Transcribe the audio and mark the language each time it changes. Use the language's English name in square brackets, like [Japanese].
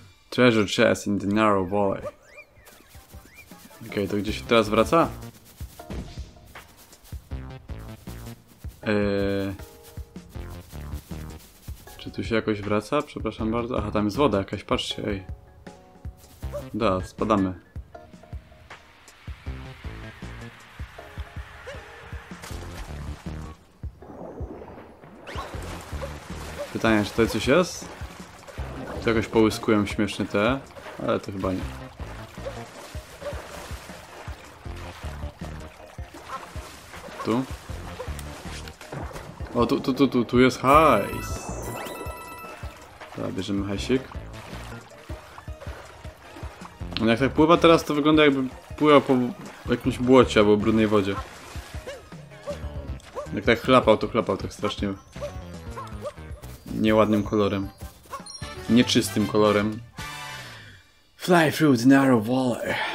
[English] Treasure chest in the narrow valley. [Polish] Okej, to gdzie się teraz wraca? Czy tu się jakoś wraca? Przepraszam bardzo. Aha, tam jest woda jakaś, patrzcie, ej. Da, spadamy. Pytanie, czy tutaj coś jest? Jakoś połyskują śmiesznie te, ale to chyba nie. Tu? O, tu jest hajs! Dobra, bierzemy hajsik. No jak tak pływa teraz, to wygląda jakby pływał po jakimś błocie albo brudnej wodzie. Jak tak chlapał tak strasznie nieładnym kolorem. Nieczystym kolorem. [English] Fly through the narrow valley.